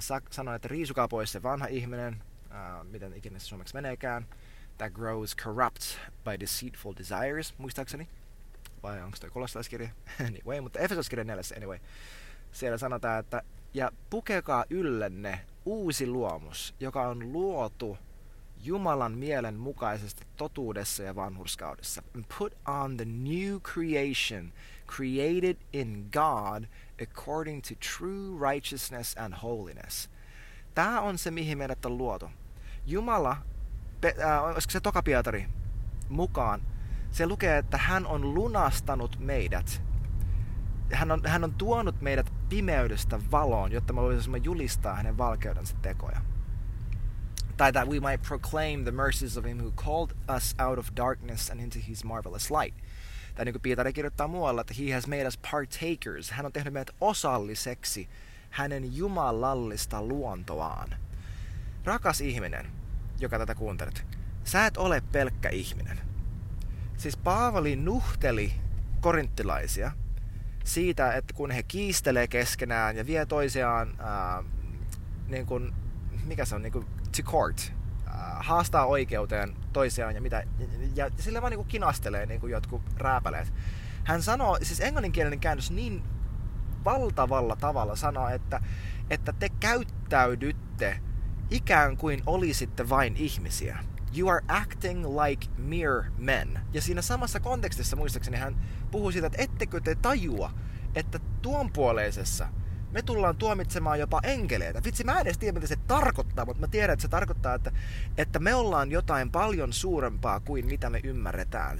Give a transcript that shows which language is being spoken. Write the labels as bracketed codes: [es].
[fi] Sanoin, että riisukaa pois se vanha ihminen, miten ikinä se suomeksi meneekään, [en] that grows corrupt by deceitful desires, [fi] muistaakseni, vai onko toi kolossalaiskirja, anyway, mutta Efesolaiskirja 4, anyway, siellä sanotaan, että ja pukekaa yllenne uusi luomus, joka on luotu Jumalan mielen mukaisesti totuudessa ja vanhurskaudessa. [en] And put on the new creation created in God according to true righteousness and holiness. [fi] Tää on se, mihin meidät on luotu. Jumala, olisiko se toka Pietari mukaan, se lukee, että hän on lunastanut meidät. Hän on tuonut meidät pimeydestä valoon, jotta me voisimme julistaa hänen valkeudensa tekoja. [en] Tai that we might proclaim the mercies of him who called us out of darkness and into his marvelous light. [fi] Tai niin kuin Pietari kirjoittaa muualla, että [en] he has made us partakers. [fi] Hän on tehnyt meidät osalliseksi hänen jumalallista luontoaan. Rakas ihminen, joka tätä kuuntelet, sä et ole pelkkä ihminen. Siis Paavali nuhteli korinttilaisia siitä, että kun he kiistelee keskenään ja vie toisiaan, niin kuin, mikä se on, niin kuin [en] to court, [fi] haastaa oikeuteen toisiaan ja mitä, ja sille vaan niinku kinastelee niinku jotkut rääpäleet. Hän sanoo, siis englanninkielinen käännös niin valtavalla tavalla sanoo, että te käyttäydytte ikään kuin olisitte vain ihmisiä. [en] You are acting like mere men. [fi] Ja siinä samassa kontekstissa muistaakseni hän puhuu siitä, että ettekö te tajua, että tuonpuoleisessa me tullaan tuomitsemaan jopa enkeleitä. Vitsi, mä en edes tiedä, mitä se tarkoittaa, mutta mä tiedän, että se tarkoittaa, että me ollaan jotain paljon suurempaa kuin mitä me ymmärretään.